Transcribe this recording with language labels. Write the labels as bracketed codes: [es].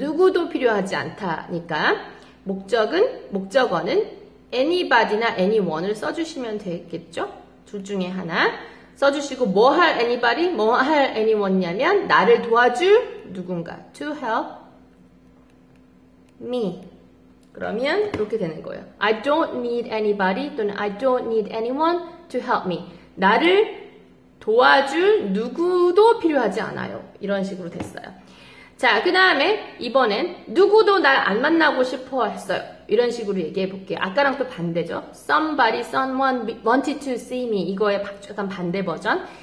[ko] 누구도 필요하지 않다니까 목적은 목적어는 anybody나 anyone을 써주시면 되겠죠. 둘 중에 하나 써주시고 뭐 할 anybody 뭐 할 anyone냐면 나를 도와줄 누군가 [en] to help me. [ko] 그러면 이렇게 되는 거예요. [en] I don't need anybody [ko] 또는 [en] I don't need anyone to help me. [ko] 나를 도와줄 누구도 필요하지 않아요. 이런 식으로 됐어요. 자, 그 다음에 이번엔 누구도 날 안 만나고 싶어 했어요. 이런 식으로 얘기해 볼게요. 아까랑 또 반대죠. [en] Somebody, someone wanted to see me. [ko] 이거의 약간 반대 버전.